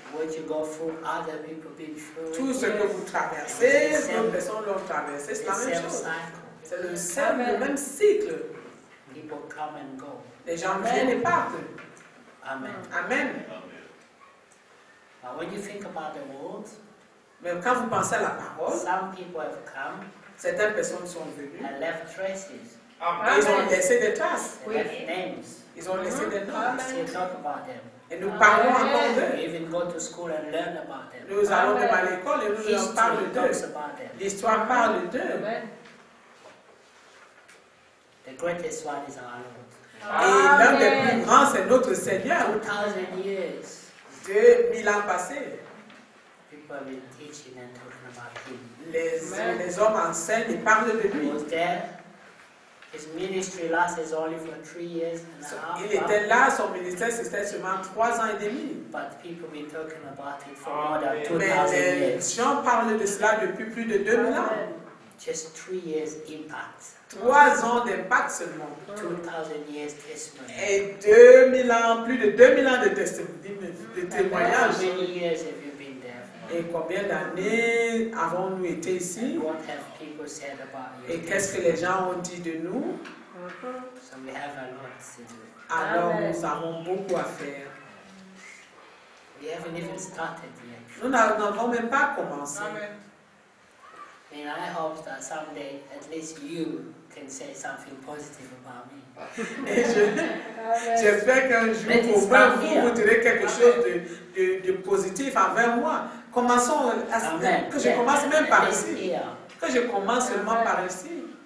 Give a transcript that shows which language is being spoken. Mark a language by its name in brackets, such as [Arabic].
[English] What you go through, other people been through. [French] Tout ce que vous traversez, d'autres personnes l'ont traversé, c'est la même chose. C'est le même, le même cycle. [English] People come and go. [French] Les gens viennent et partent. [English] Amen. Amen. Amen. When you think about the world, [French] mais quand vous pensez à la parole, [English] some people have come, [French] certaines personnes sont venues [English] and left traces. [French] Amen. Ils ont laissé des traces. [English] They left names. [French] Ils ont laissé des traces. [English] Amen. Talk about them. [French] Et nous parlons encore d'eux. [English] We even go to school and learn about them. [French] Nous allons même à l'école et nous leur parlons d'eux. L'histoire parle d'eux. [English] The greatest one is our Lord. [French] Et l'un des plus grands, c'est notre Seigneur. [English] 2000 years. [French] 2000 ans passés. [English] People have been teaching and talking about him. [French] Les hommes enseignent et parlent de lui. [English] His ministry lasts only for 3 years and a half. [French] Il était là, son ministère c'était seulement 3 ans et demi. [English] But people been talking about it for more than 2,000 years. [French] Mais gens parlent de cela depuis plus de 2000 ans. [English] Just 3 years impact. [French] 3 ans d'impact seulement. [English] 2,000 years testimony. [French] Et 2000 ans, plus de 2000 ans de témoignages. [English] How many years have you been there? [French] Et combien d'années avons-nous été ici? [English] And what have people said about you? [French] Et qu'est-ce que les gens ont dit de nous? [English] So we have a lot to do. [French] Alors nous avons beaucoup à faire. [English] We haven't even started yet. [French] Nous n'avons même pas commencé. [English] Amen. And I hope that someday at least you can say something positive about me. [French] J'espère qu'un jour au moins vous vous direz quelque chose de positif envers moi. Commençons à que je commence seulement par ici.